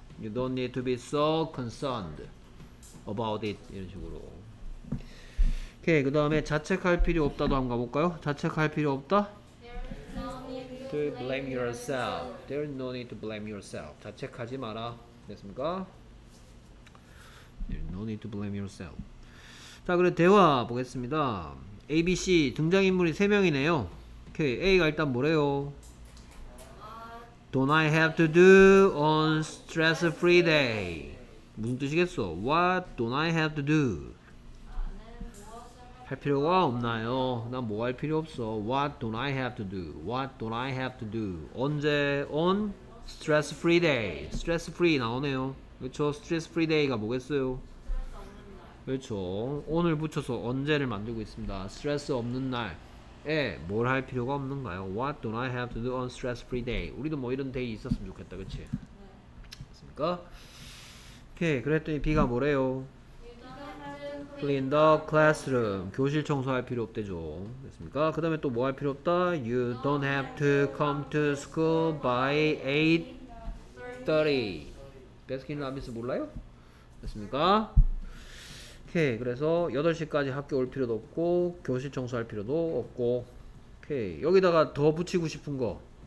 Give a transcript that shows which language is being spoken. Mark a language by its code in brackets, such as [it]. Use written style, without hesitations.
[en] You don't need to be so concerned about it. [ko] 이런 식으로. 오케이. 그 다음에 자책할 필요 없다도 한번 가볼까요? 자책할 필요 없다? [en] To blame yourself. There is no need to blame yourself. [ko] 자책하지 마라. 됐습니까? [en] There is no need to blame yourself. [ko] 자, 그래 대화 보겠습니다. A, B, C 등장인물이 3명이네요. 오케이. A가 일단 뭐래요? [en] Don't I have to do on stress-free day? [ko] 무슨 뜻이겠어? [en] What don't I have to do? [ko] 할 필요가 없나요? 난 뭐 할 필요 없어. [en] What don't I have to do? What don't I have to do? [ko] 언제? [en] On stress-free day. Stress-free [ko] 나오네요. 그렇죠? Stress-free day가 뭐겠어요? 그렇죠. 오늘 붙여서 언제를 만들고 있습니다. Stress 없는 날. 에 뭘 할 필요가 없는가요? [en] What don't I have to do on stress-free day? [ko] 우리도 뭐 이런 데이 있었으면 좋겠다, 그치? 네. 맞습니까? 오케이, 그랬더니 B가 뭐래요? [en] You don't have to clean the classroom. [ko] 교실 청소할 필요 없대죠. 됐습니까? 그 다음에 또 뭐 할 필요 없다? [en] You don't have to come to school by 8:30. [ko] 베스킨 라빈스 몰라요? 됐습니까? 오케이. 그래서 8시까지 학교 올 필요도 없고 교실 청소할 필요도 없고. 오케이. 여기다가 더 붙이고 싶은 거.